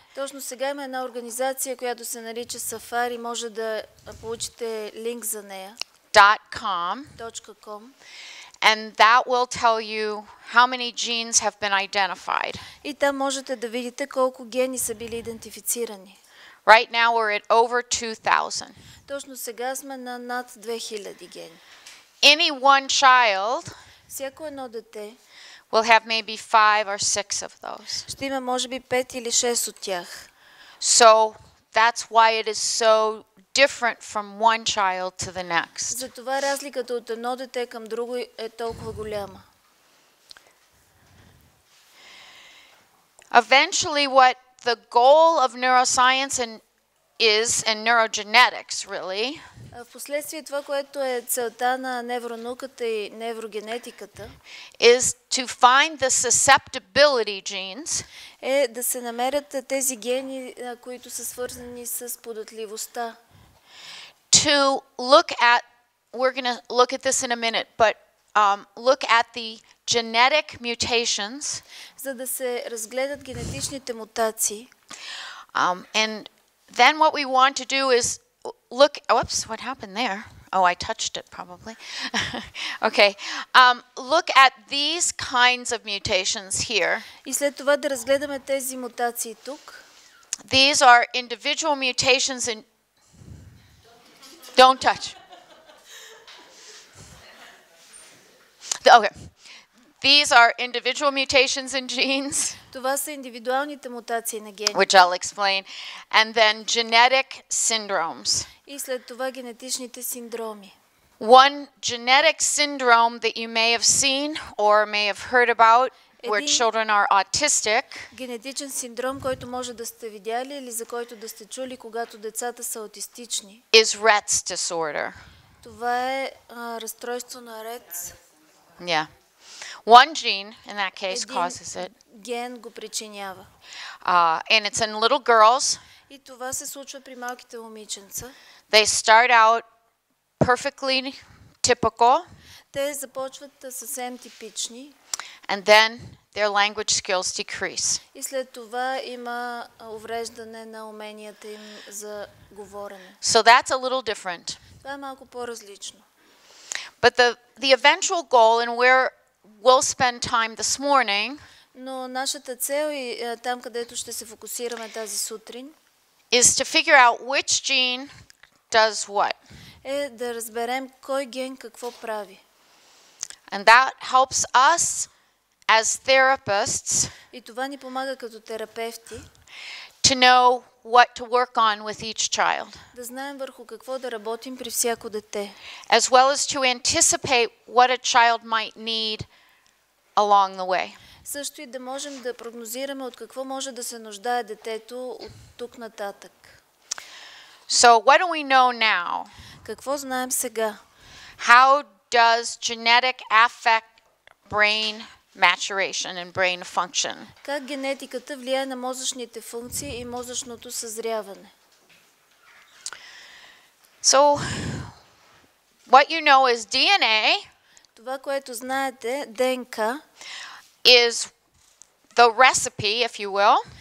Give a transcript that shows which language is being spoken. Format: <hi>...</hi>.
<bg>Точно сега има една организация, която се нарича Safari. Може да получите линк за нея. .com.</bg> <en>And that will tell you how many genes have been identified.</en> <bg>И там можете да видите колко гени са били идентифицирани.</bg> <en>Right now we're at over 2,000.</en> <bg>Точно сега сме на над 2,000 гени.</bg> <en>Any one child</en> <bg>всяко едно дете</bg> <en>will have maybe 5 or 6 of those.</en> <bg>Ще има може би 5 или 6 от тях.</bg> <en>So that's why it is so different from one child to the next.</en> <bg>Затова разликата от едно дете към друго е толкова голяма.</bg> <en>Eventually what the goal of neuroscience and neurogenetics really.</en> <bg>Впоследствие това, което е целта на невронауката и неврогенетиката,</bg> <en>is to find the susceptibility genes,</en> <bg>е да се намерят тези гени, които са свързани с податливостта.</bg> <en>To look at, we're going to look at this in a minute, but look at the genetic mutations,</en> <bg>за да се разгледат генетичните мутации.</bg> <en>And then what we want to do is look, oops, what happened there? Oh, I touched it probably. Okay. Look at these kinds of mutations here.</en> <bg>И след това да разгледаме тези мутации тук.</bg> <en>These are individual mutations in don't touch. Okay. These are individual mutations in genes.</en> <bg>Това са индивидуалните мутации на гените.</bg> <en>Which I'll explain. And then genetic syndromes.</en> <bg>И след това генетичните синдроми.</bg> <en>One genetic syndrome that you may have seen or may have heard about where children are autistic.</en> <bg>Генетичен синдром, който може да сте видяли или за който да сте чули, когато децата са аутистични.</bg> <en>Is Rett's disorder.</en> <bg>Това е разстройство на Ретс.</bg> <en>Yeah. One gene in that case</en> <bg>един</bg> <en>causes it.</en> <bg>Ген го причинява.</bg> <en>And it's in little girls.</en> <bg>И това се случва при малките момиченца.</bg> <en>They start out perfectly typical.</en> <bg>Те започват съвсем типични.</bg> <en>And then their language skills decrease.</en> <bg>И след това има увреждане на уменията им за говорене.</bg> <en>So that's a little different.</en> <bg>Това е малко по-различно.</bg> <en>But the eventual goal and where we'll spend time this morning.</en> <bg>Но нашата цел и там където ще се фокусираме тази сутрин</bg> <en>is to figure out which gene does what.</en> <bg>Е да разберем кой ген какво прави.</bg> <en>And that helps us as therapists.</en> <bg>И това ни помага като терапевти</bg> <en>to know what to work on with each child.</en> <bg>Да знаем върху какво да работим при всяко дете.</bg> <en>As well as to anticipate what a child might need along the way.</en> <bg>Също и да можем да прогнозираме от какво може да се нуждае детето от тук нататък.</bg> <en>So what do we know now?</en> <bg>Какво знаем сега?</bg> <en>How does genetic affect brain maturation and brain function?</en> <bg>Как генетиката влияе на мозъчните функции и мозъчното съзряване?</bg> <en>So what you know is DNA.</en> <bg>Това, което знаете, ДНК</bg> <en>is the recipe, if you will,</en>